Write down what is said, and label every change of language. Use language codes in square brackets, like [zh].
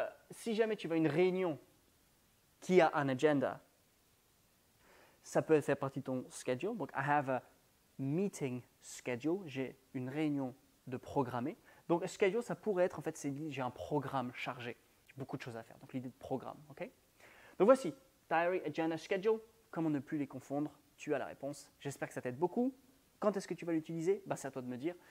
[fr] Si jamais tu vas à une réunion qui a un agenda, ça peut faire partie de ton schedule. [en] Donc, I have a meeting schedule. [fr] J'ai une réunion de programmée. Donc, un schedule, ça pourrait être, en fait, c'est dit, j'ai un programme chargé. J'ai beaucoup de choses à faire. Donc, l'idée de programme, OK? Donc, voici, diary, agenda, schedule. Comment ne plus les confondre? Tu as la réponse. J'espère que ça t'aide beaucoup. Quand est-ce que tu vas l'utiliser? Bah, c'est à toi de me dire.